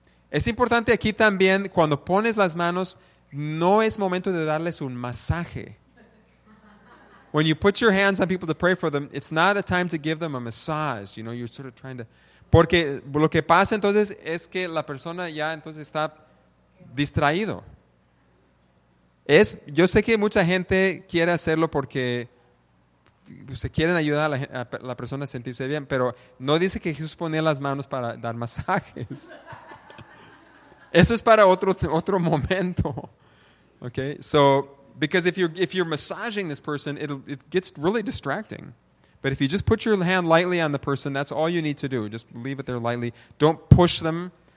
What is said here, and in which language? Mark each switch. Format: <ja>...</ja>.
<es>Es importante aquí también, cuando pones las manos, no es momento de darles un masaje.</es> <en>When you put your hands on people to pray for them, it's not a time to give them a massage. You know, you're sort of trying to...</en> <es>Porque lo que pasa entonces es que la persona ya entonces está distraído. Yo sé que mucha gente quiere hacerlo porque se quieren ayudar a la persona a sentirse bien, pero no dice que Jesús ponía las manos para dar masajes. Eso es para otro momento. Okay?</es> <en>So, because if you're massaging this person, it gets really distracting. But if you just put your hand lightly on the person, that's all you need to do. Just leave it there lightly. Don't push them.</en>